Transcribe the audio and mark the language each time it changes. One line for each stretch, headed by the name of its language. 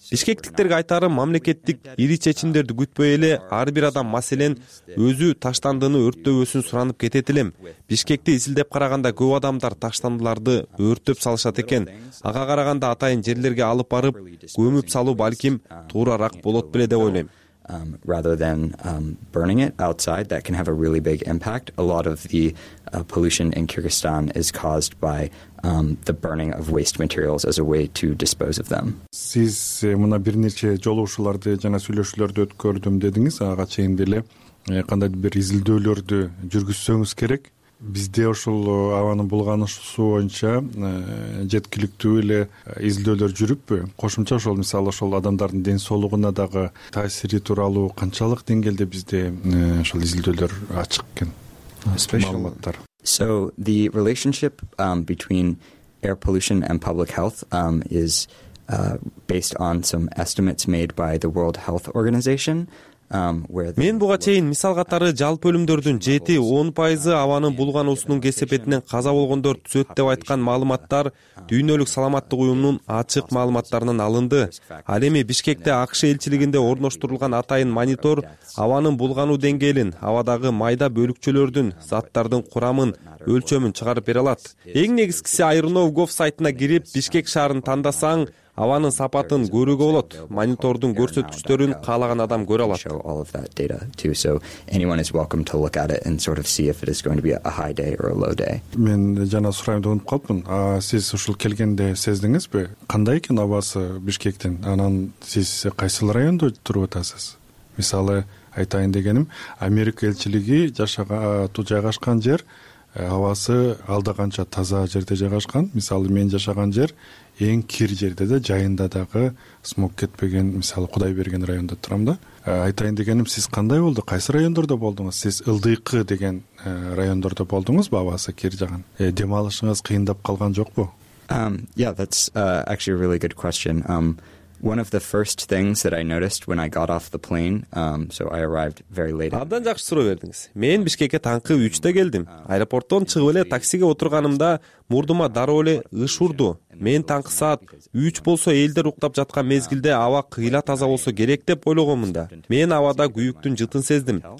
Kyrgyz: Бишкектиктерге айтарым, мамлекеттик ири чечимдерди күтпөй эле ар бир адам маселен өзү таштандыны өрттөбөсүн суранып кетет элем. Бишкекти изилдеп караганда көп адамдар таштандыларды өрттөп салышат экен. Ага караганда атайын жерлерге алып барып көмүп салуу балким туурараак болот беле деп ойлойм.
English: Rather than burning it outside, that can have a really big impact. A lot of the pollution in Kyrgyzstan is caused by the burning of waste materials as a way to dispose of them.
Kyrgyz: Сиз мына бир нече жолугушууларды жана сүйлөшүүлөрдү өткөрдүм дедиңиз, ага чейин деле кандайдыр бир изилдөөлөрдү жүргүзсөңүз керек. Бизде ошол абанын булганышы боюнча жеткиликтүү эле изилдөөлөр жүрүппү? Кошумча ошол мисалы ошол адамдардын ден соолугуна дагы таасири тууралуу канчалык деңгээлде бизде ошол изилдөөлөр ачык экен? Маалыматтар.
English: So the relationship between air pollution and public health is based on some estimates made by the World Health Organization.
Kyrgyz: Мен буга чейин мисал катары жалпы өлүмдөрдүн 7-10% абанын булгануусунун кесепетинен каза болгондор түзөт деп айткан маалыматтар дүйнөлүк саламаттык уюмунун ачык маалыматтарынан алынды. Ал эми Бишкекте АКШ элчилигинде орноштурулган атайын монитор абанын булгануу деңгээлин, абадагы майда бөлүкчөлөрдүн, заттардын курамын, өлчөмүн чыгарып бере алат. Эң негизгиси Айрноу Гов сайтына кирип, Бишкек шаарын тандасаң, абанын сапатын көрүүгө болот. Монитордун көрсөткүчтөрүн каалаган адам көрө алат.
English: Show all of that data too. So anyone is welcome to look at it and sort of see if it is going to be a high day or a low day.
Kyrgyz: Мен жана сурайымды унутуп калыппын. Сиз ушул келгенде сездиңизби? Кандай экен абасы Бишкектин? Анан сиз кайсы райондо туруп атасыз? Мисалы айтайын дегеним, Америка элчилиги жайгашкан жер абасы алда канча таза жерде жайгашкан. Мисалы мен жашаган жер эң кир жерде да жайында дагы смог кетпеген, мисалы Кудай берген райондо турам да. Айтайын дегеним, сиз кандай болду, кайсы райондордо болдуңуз? Сиз ылдыйкы деген райондордо болдуңузбу? Абасы кир жаган, дем алышыңыз кыйындап калган жокпу?
English: Yeah, that's actually a really good question. One of the first things that I noticed when I got off the plane, so I arrived very late.
Kyrgyz: Абдан жакшы суроо бердиңиз. Мен Бишкекке таңкы 3:00 келдим. Аэропорттон чыгып эле таксиге отурганымда мурдума дароо эле ыш урду. Мен таңкы саат 3 болсо элдер уктап жаткан мезгилде аба кыйла таза болсо керек деп ойлогонмун да. Мен абада күйүктүн жытын сездим.